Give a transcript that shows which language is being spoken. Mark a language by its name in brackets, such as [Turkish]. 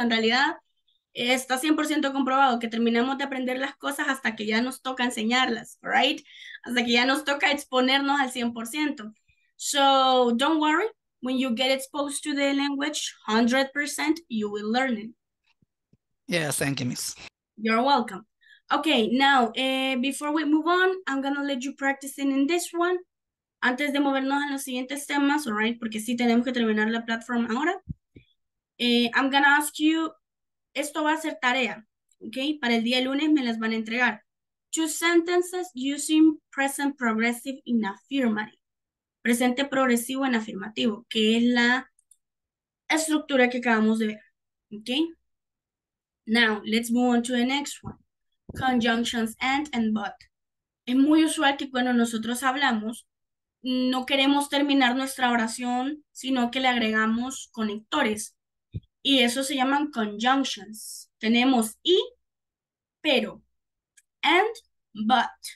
[Spanish] En realidad, está 100% comprobado que terminamos de aprender las cosas hasta que ya nos toca enseñarlas, right? Hasta que ya nos toca exponernos al 100%. [English] So, don't worry. When you get exposed to the language, 100%, you will learn it. Yes, thank you, miss. You're welcome. Okay, now, before we move on, I'm going to let you practice in this one. [Spanish] Antes de movernos a los siguientes temas, [English] all right? [Spanish] Porque sí tenemos que terminar la plataforma ahora. [English] I'm going to ask you, [Spanish] esto va a ser tarea, [English] okay? [Spanish] Para el día lunes me las van a entregar. [English] 2 sentences using present progressive in affirmative. [Spanish] Presente progresivo en afirmativo, que es la estructura que acabamos de ver, okay? [English] Now, let's move on to the next one. Conjunctions and but. [Spanish] Es muy usual que cuando nosotros hablamos, no queremos terminar nuestra oración, sino que le agregamos conectores. Y eso se llaman conjunctions. Tenemos y, pero, and, but.